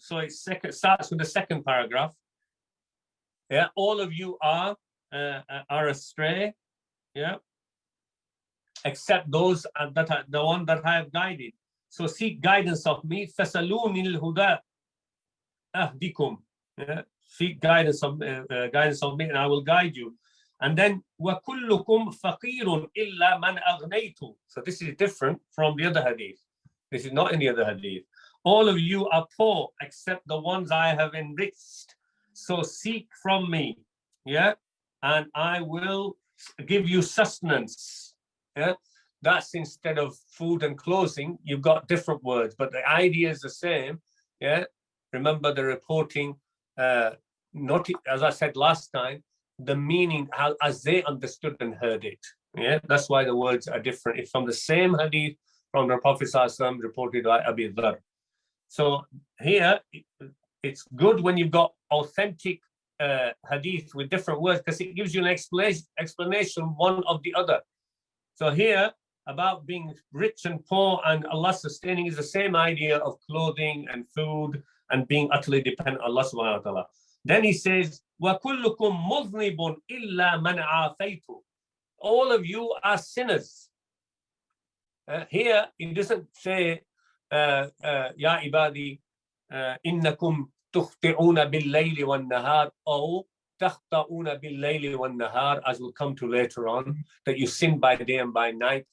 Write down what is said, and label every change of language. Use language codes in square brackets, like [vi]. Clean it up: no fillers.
[en] So it starts with the second paragraph. Yeah, all of you are astray, yeah, except those that are the one that I have guided. So seek guidance of me. [ar] فَسَلُونِ الْهُدَى أَهْدِكُمْ. [en] Yeah, seek guidance of me, and I will guide you. And then [ar] وَكُلُّكُمْ فَقِيرٌ إِلَّا مَنْ أَغْنَيْتُ. [en] So this is different from the other hadith. This is not in the other hadith. All of you are poor except the ones I have enriched. So seek from me, yeah, and I will give you sustenance. Yeah, that's instead of food and clothing. You've got different words, but the idea is the same. Yeah, remember the reporting. Not as I said last time, the meaning how, as they understood and heard it. Yeah, that's why the words are different. It's from the same hadith from the Prophet ﷺ reported by Abi Dhar. So here, it's good when you've got authentic hadith with different words, because it gives you an explanation one of the other. So here, about being rich and poor and Allah sustaining is the same idea of clothing and food and being utterly dependent on Allah subhanahu wa ta'ala. Then he says, [ar] وَكُلُّكُمْ مُذْنِبٌ إِلَّا مَنْ عَافَيْتُ. [en] All of you are sinners. Here, he doesn't say, [ar] يَا إِبَادِي إِنَّكُمْ تُخْطِعُونَ بِاللَّيْلِ وَالنَّهَارِ [en] أَوْ تَخْطَعُونَ بِاللَّيْلِ وَالنَّهَارِ, as we'll come to later on, that you sin by day and by night.